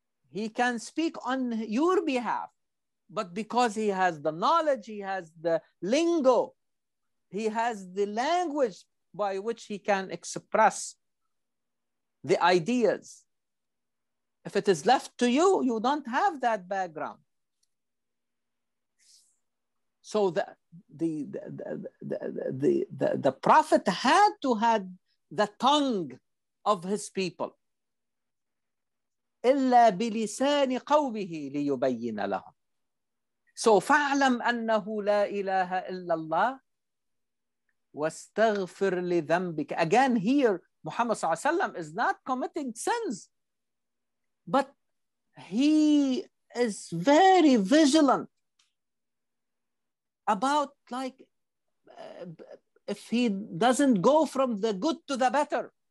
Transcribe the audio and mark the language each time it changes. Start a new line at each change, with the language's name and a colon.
English: He can speak on your behalf, but because he has the knowledge, he has the lingo, he has the language by which he can express the ideas. If it is left to you, you don't have that background. So the prophet had to have the tongue of his people.
Arabic: إلا بلسان قومه ليبين لهم. So فعلم أنه لا إله إلا الله واستغفر لذنبك.
English: Again, here Muhammad
Arabic: صلى الله عليه وسلم
English: is not committing sins, but he is very vigilant about, like, if he doesn't go from the good to the better,